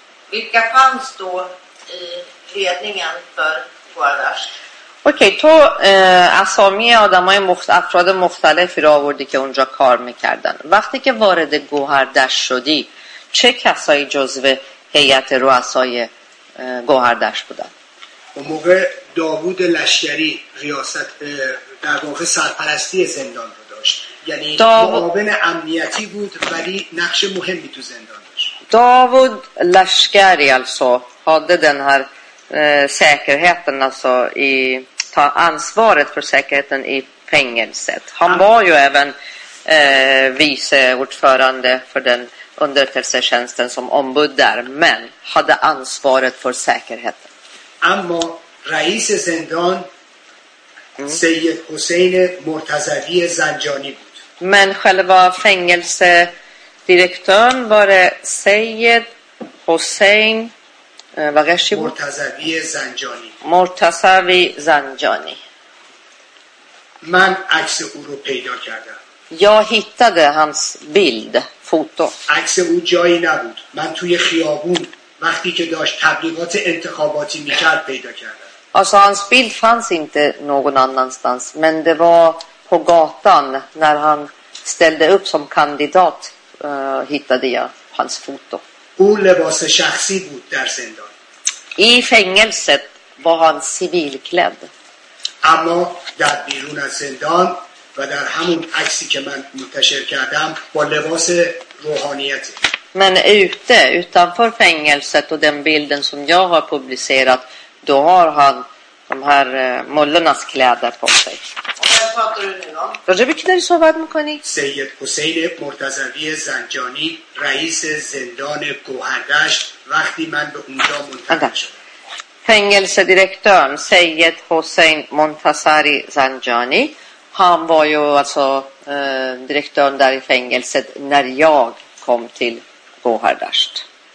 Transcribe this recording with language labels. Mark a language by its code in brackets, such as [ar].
[sv] Vilka fanns då i ledningen för Guardash? [fa] Okej, تو اسامی آدمای افراد مختلفی را آوردی که اونجا کار میکردن. وقتی که وارد گوهردش شدی، چه کسایی جزو هیئت رؤسای گوهردش بودن؟ اون موقع داوود لشکری ریاست در واقع سرپرستی زندان رو داشت. یعنی معاون امنیتی بود ولی نقش مهمی تو زندان [sv] David Lashkari alltså hade den här säkerheten alltså i ta ansvaret för säkerheten i fängelset. Han var ju även vice ordförande för den underrättelsetjänsten som ombud där men hade ansvaret för säkerheten. [fa] Amma reis zindan Seyyed Hussein Murtazavi Zanjani bud. [sv] Men själva fängelse Direktören var det Seyyed Hussein [fa] و قشی بود؟ مرتضوی زنجانی. مرتضوی زنجانی. من عکس او رو پیدا کردم. [sv] Jag hittade hans bild, foto. [fa] عکس او جایی نبود. من توی خیابون وقتی که داشت تبلیغات انتخاباتی میکرد پیدا کردم. [sv] Alltså hans bild fanns inte någon annanstans, men det var på gatan när han ställde upp som kandidat hittade jag hans foto. [fa] او لباس شخصی بود در زندان. [sv] I fängelset var han civilklädd. [fa] اما در بیرون از زندان و در همون عکسی که من منتشر کردم با لباس روحانیت. [sv] Men ute utanför fängelset och den bilden som jag har publicerat, då har han de här mullornas kläder på sig. Vad pratar du nu om? [fa] Seyyed Hussein Murtazavi Zanjani, رئیس زندان گوهردشت, وقتی من به اونجا منتقل شدم. [sv] Fängelsedirektören Seyyed Hussein Murtazavi Zanjani, han var ju alltså direktören där i fängelset när jag kom till گوهردشت.